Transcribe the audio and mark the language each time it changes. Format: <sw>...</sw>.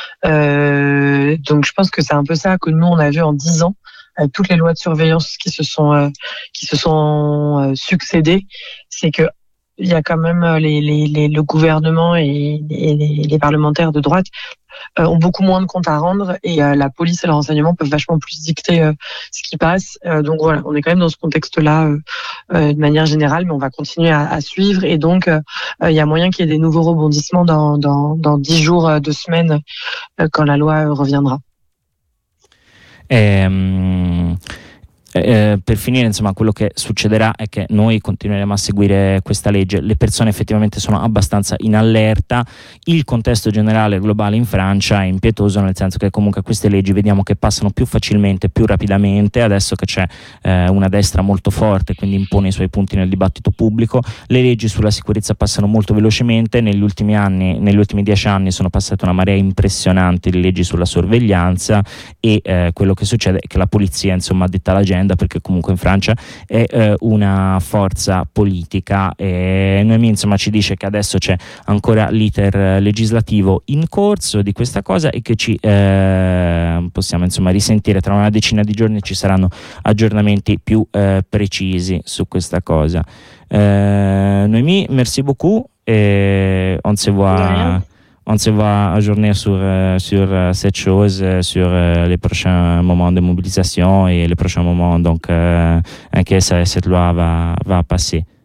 <fr>Donc je pense que c'est un peu ça que nous on a vu en 10 ans, toutes les lois de surveillance qui se sont succédées, c'est que il y a quand même le gouvernement et les parlementaires de droite ont beaucoup moins de comptes à rendre, et la police et le renseignement peuvent vachement plus dicter ce qui passe. Donc voilà, on est quand même dans ce contexte-là de manière générale, mais on va continuer à suivre. Et donc, il y a moyen qu'il y ait des nouveaux rebondissements dans 10 jours, 2 semaines, quand la loi reviendra.</fr> <it>Per finire, insomma, quello che succederà è che noi continueremo a seguire questa legge. Le persone effettivamente sono abbastanza in allerta. Il contesto generale globale in Francia è impietoso, nel senso che comunque queste leggi vediamo che passano più facilmente, più rapidamente, adesso che c'è una destra molto forte, quindi impone i suoi punti nel dibattito pubblico. Le leggi sulla sicurezza passano molto velocemente. Negli ultimi anni, negli ultimi 10 anni, sono passate una marea impressionante di leggi sulla sorveglianza, e quello che succede è che la polizia, insomma, detta la gente, perché comunque in Francia è una forza politica. E Noemi, insomma, ci dice che adesso c'è ancora l'iter legislativo in corso di questa cosa e che ci possiamo, insomma, risentire tra una decina di giorni, ci saranno aggiornamenti più precisi su questa cosa.</it> <fr>Noemi, merci beaucoup et on se voit. On se voit à journée sur cette chose, sur les prochains moments de mobilisation et les prochains moments, donc que ça, cette loi va passer.</fr>